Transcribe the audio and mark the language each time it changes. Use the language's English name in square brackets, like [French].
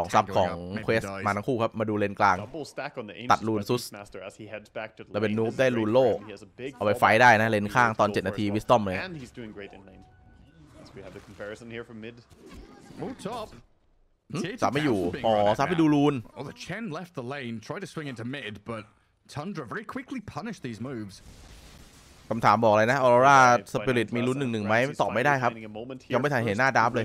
[Thai] 2 ซับของเควสมาทั้งคู่ครับมาดูเลนกลางตัดลูนซุสแล้วเป็นนูฟได้ลูนโลเอาไปไฟได้นะเลนข้างตอน7นาทีวิสตอมเลย [English] and he's doing great in lane as we have the comparison here from mid oh top [Thai] ซับไม่อยู่อ๋อซับไปดูลูน [English] oh the chen left the lane try to swing into mid but tundra very quickly punish these moves [Thai] คำถามบอกเลยนะออโรราสปิริตมีลุ้น1-1มั้ยตอบไม่ได้ครับยังไม่ทันเห็นหน้าดับเลย